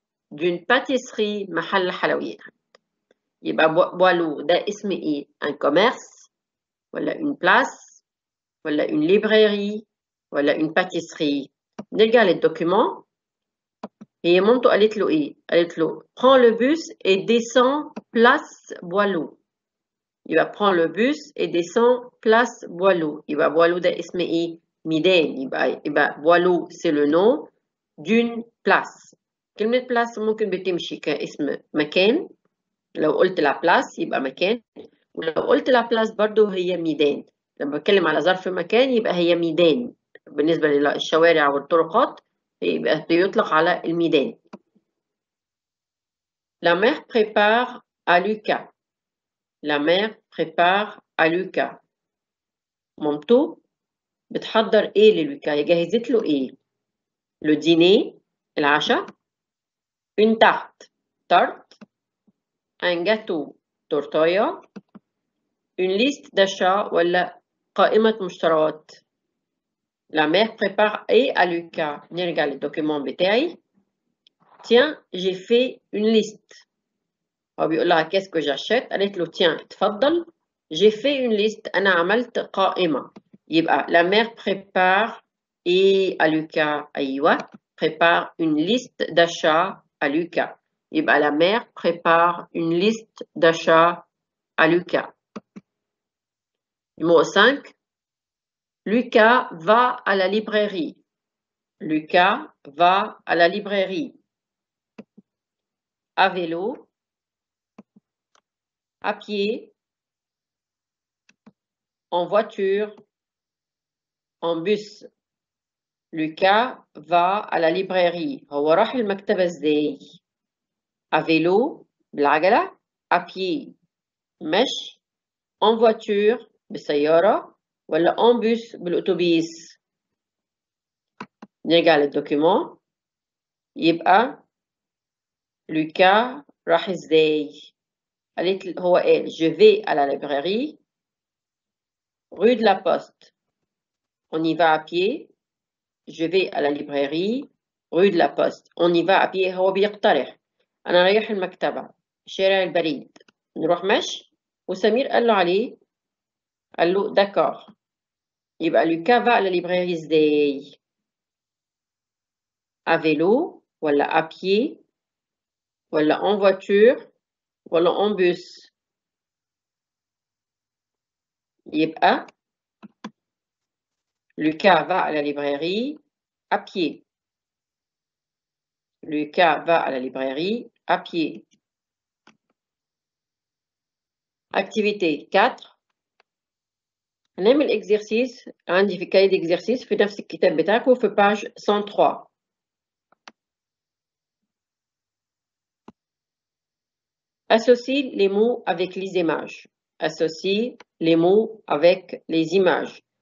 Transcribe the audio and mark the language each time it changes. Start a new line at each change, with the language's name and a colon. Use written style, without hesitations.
French: d'une pâtisserie,
Arabic: محل حلويات. يبقى بوالو ده اسم ايه؟
French: un commerce
Arabic: ولا
French: une place
Arabic: ولا
French: une librairie
Arabic: ولا
French: une pâtisserie؟
Arabic: نرجع للدوكيمون. هي مامته قالت له ايه؟ قالت له
French: prends le bus et descends place Boileau. يبقى prends le bus et descends place Boileau.
Arabic: يبقى Boileau ده اسم ايه؟ ميدان.
French: يبقى Boileau c'est le nom d'une place.
Arabic: كلمة place ممكن بتمشي كاسم مكان، لو قلت la place يبقى مكان، ولو قلت la place برضو هي ميدان. لما بتكلم على ظرف مكان يبقى هي ميدان، بالنسبة للشوارع والطرقات يبقى بيطلق على الميدان.
French: La mère prépare à Lucas. La mère prépare à Lucas.
Arabic: مامته بتحضر ايه للوكا؟ هي جهزت له ايه؟ لو ديني العشاء، اون تارت تارت، ان جاتو تورتايا، اون ليست داشا ولا قائمة مشتريات.
French: La mère prépare et à Lucas.
Arabic: نرجع للدوكيمون بتاعي.
French: Tiens, j'ai fait une liste.
Arabic: هو بيقول لها
French: qu'est-ce que j'achète؟
Arabic: قالت له
French: tiens,
Arabic: تفضل.
French: J'ai fait une liste.
Arabic: أنا عملت قائمة.
French: يبقى la mère prépare et à Lucas.
Arabic: أيوة.
French: Prépare une liste d'achat à Lucas. يبقى la mère prépare une liste d'achat à Lucas. Numéro 5. Lucas va à la librairie. Lucas va à la librairie. À vélo. À pied. En voiture. En bus. Lucas va à la librairie.
Arabic: هو راح المكتبة ازاي؟
French: À vélo.
Arabic: بالعجلة.
French: À pied. مش. En voiture.
Arabic: بالسيارة. ولا
French: en bus
Arabic: بالأتوبيس. نرجع للدوكيمون. يبقى لوكا راح ازاي؟ قالت هو قال
French: je vais à la librairie rue de la poste. On y va à pied. Je vais à la librairie rue de la poste. On y va à pied.
Arabic: هو بيقترح انا رايح المكتبة شارع البريد، نروح ماشي. وسمير قال له عليه، قال له داكور.
French: يبقى لوكا va à la librairie
Arabic: ازاي؟
French: à vélo ولا à pied ولا en voiture ولا en bus. يبقى لوكا va à la librairie à pied. لوكا va à la librairie à pied. activité 4.
Arabic: هنعمل اكزرسيس، عندي في كاي اكزرسيس في نفس الكتاب بتاعك وفي باج 103.
French: Associe les mots avec les images. Associe les mots avec les images.